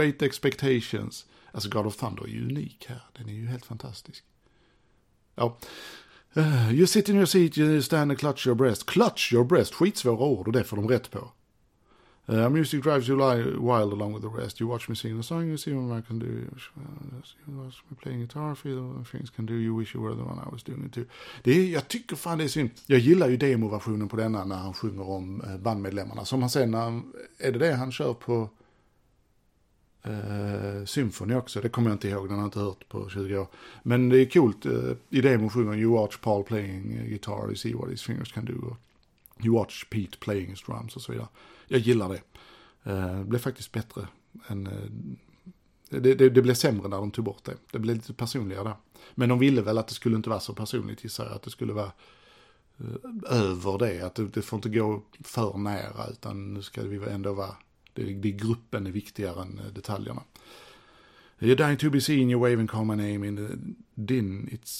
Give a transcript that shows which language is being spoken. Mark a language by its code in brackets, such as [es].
[sv] Great Expectations. Alltså God of Thunder är ju unik här. Den är ju helt fantastisk. Ja. [en] You sit in your seat, you stand and clutch your breast. Clutch your breast. [sv] Skitsvåra ord och det får de rätt på. [en] Music drives you wild along with the rest. You watch me sing a song, you see what I can do. You watch me playing guitar, feel what things can do. You wish you were the one I was doing it to. [sv] Jag tycker fan det är synd. Jag gillar ju demo-versionen på denna när han sjunger om bandmedlemmarna. Som han säger, är det han kör på symfoni också? Det kommer jag inte ihåg, den har jag inte hört på 20 år. Men det är coolt, i demo sjunger [en] you watch Paul playing guitar, you see what his fingers can do. You watch Pete playing his drums [sv] och så vidare. Jag gillar det. Det blev faktiskt bättre. Det blev sämre när de tog bort det. Det blev lite personligare där. Men de ville väl att det skulle inte vara så personligt, gissar jag. Att det skulle vara över det. Att det får inte gå för nära. Utan nu ska vi ändå vara... Det gruppen är viktigare än detaljerna. [en] You're dying to be seen, you wave and call my name in the din.